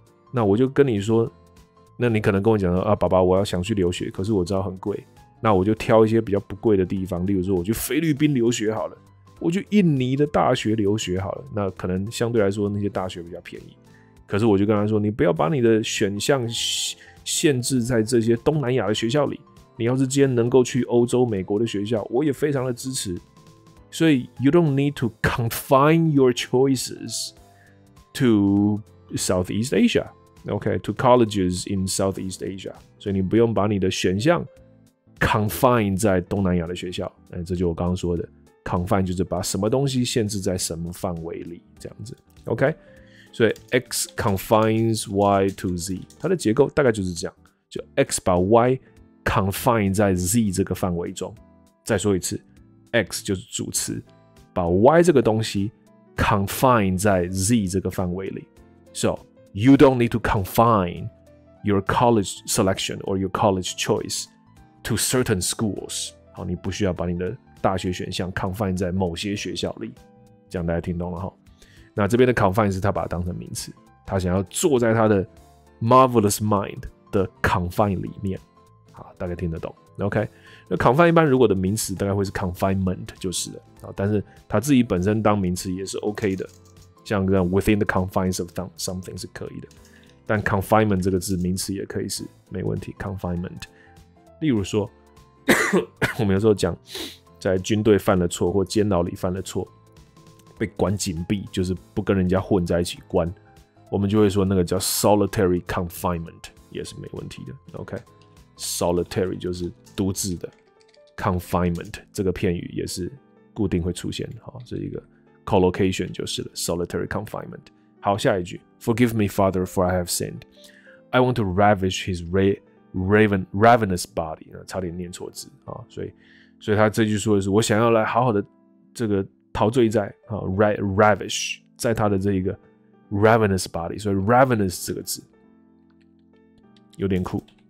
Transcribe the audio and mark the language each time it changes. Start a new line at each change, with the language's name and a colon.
Chinese: 那我就跟你说，那你可能跟我讲说啊，爸爸，我要想去留学，可是我知道很贵，那我就挑一些比较不贵的地方，例如说我去菲律宾留学好了，我去印尼的大学留学好了，那可能相对来说那些大学比较便宜。可是我就跟他说，你不要把你的选项限制在这些东南亚的学校里。你要是今天能够去欧洲、美国的学校，我也非常的支持。所以
English: you don't need to confine your choices to Southeast Asia, okay? To colleges in Southeast Asia.
Chinese: 所以你不用把你的选项 confine 在东南亚的学校。这就我刚刚说的 confine 就是把什么东西限制在什么范围里，这样子 ，okay? 所以
English: x confines y to z，
Chinese: 它的结构大概就是这样，就 x 把 y confine 在 z 这个范围中。再说一次 ，x 就是主词，把 y 这个东西 confine 在 z 这个范围里。
English: So you don't need to confine your college selection or your college choice to certain schools。
Chinese: 好，你不需要把你的大学选项 confine 在某些学校里。这样大家听懂了哈？那这边的 confine 是他把它当成名词，他想要坐在他的 marvelous mind 的 confine 里面，好，大概听得懂 ，OK？那 confine 一般如果的名词大概会是 confinement 就是了，但是他自己本身当名词也是 OK 的，像这样
English: within the confines of something
Chinese: 是可以的，但 confinement 这个字名词也可以是没问题 ，confinement。例如说，我们有时候讲在军队犯了错或监牢里犯了错。被关紧闭，就是不跟人家混在一起关，我们就会说那个叫 solitary confinement， 也是没问题的。 OK， solitary 就是独自的 confinement， 这个片语也是固定会出现，好，这一个 collocation 就是了 solitary confinement。好，下一句
English: ，Forgive me, Father, for I have sinned. I want to ravish his ravenous body，
Chinese: 差点念错字啊，所以他这句说的是我想要来好好的这个。陶醉在、ravish 在他的这一个 ravenous body， 所以 ravenous 这个字有点酷。